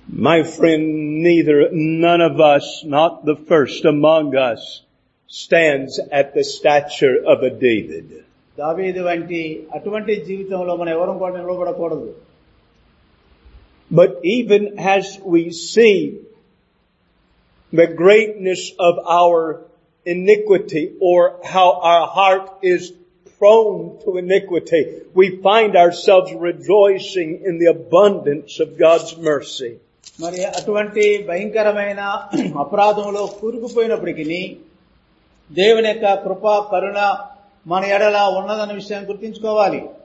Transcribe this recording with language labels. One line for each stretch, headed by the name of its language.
English: My friend, none of us, not the first among us, stands at the stature of a David.
Telugu: దావీదు వంటి అటువంటి జీవితంలో మనం ఎవరూ కూడా నిలబడకూడదు.
English: But even as we see the greatness of our iniquity, or how our heart is prone to iniquity, we find ourselves rejoicing in the abundance of God's mercy.
Telugu: మరి అటువంటి భయంకరమైన అపరాధంలో కూరుకుపోయినప్పటికీ దేవుని యొక్క కృప కరుణ మన ఎడల ఉన్నదన్న విషయాన్ని గుర్తించుకోవాలి.